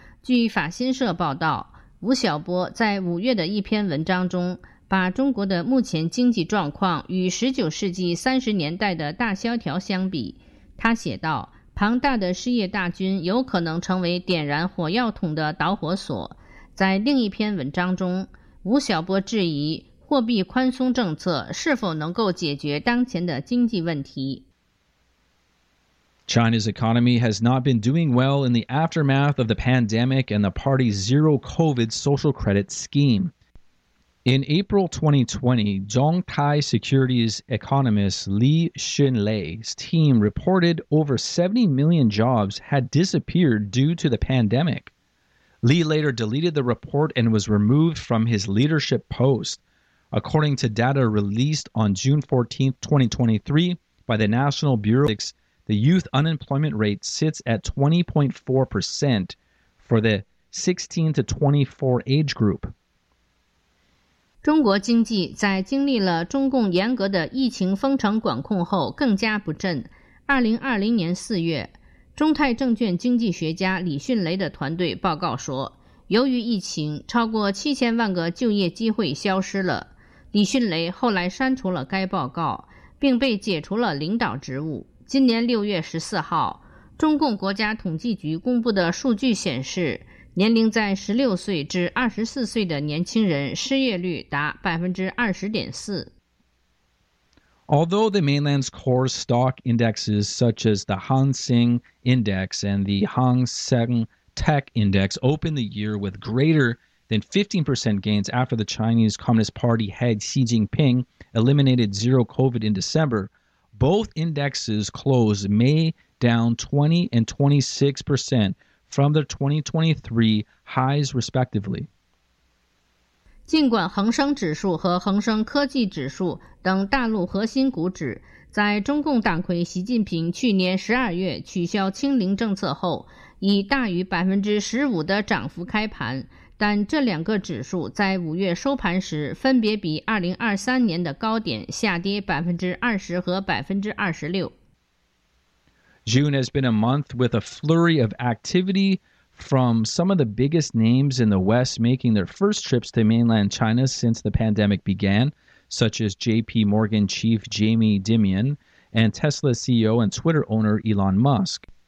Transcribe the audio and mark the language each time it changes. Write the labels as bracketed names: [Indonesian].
[Chinese] 据法新社报道，吴晓波在5月的一篇文章中把中国的目前经济状况与19世纪30年代的大萧条相比，他写道，庞大的失业大军有可能成为点燃火药桶的导火索。在另一篇文章中，吴晓波质疑货币宽松政策是否能够解决当前的经济问题。 [English] China's economy has not been doing well in the aftermath of the pandemic and the party's zero COVID social credit scheme. In April 2020, Zhongtai Securities economist Li Xunlei's team reported over 70 million jobs had disappeared due to the pandemic. Li later deleted the report and was removed from his leadership post. According to data released on June 14, 2023, by the National Bureau of Statistics, the youth unemployment rate sits at 20.4% for the 16 to 24 age group. [Chinese] 中国经济在经历了中共严格的疫情封城管控后更加不振。 2020年4月，中泰证券经济学家李迅雷的团队报告说，由于疫情，超过7000万个就业机会消失了。李迅雷后来删除了该报告，并被解除了领导职务。今年6月14号，中共国家统计局公布的数据显示，年龄在16岁至24岁的年轻人失业率达 20.4%。 [English] Although the mainland's core stock indexes such as the Hang Seng Index and the Hang Seng Tech Index opened the year with greater than 15% gains after the Chinese Communist Party head Xi Jinping eliminated zero COVID in December, both indexes closed May down 20 and 26%from their 2023 highs respectively. [Chinese] 尽管恒生指数和恒生科技指数等大陆核心股指在中共党魁习近平去年12月取消清零政策后以大于 15% 的涨幅开盘，但这两个指数在5月收盘时分别比2023年的高点下跌 20% 和 26%。 [English] June has been a month with a flurry of activity from some of the biggest names in the West making their first trips to mainland China since the pandemic began, such as JP Morgan chief Jamie Dimon and Tesla CEO and Twitter owner Elon Musk.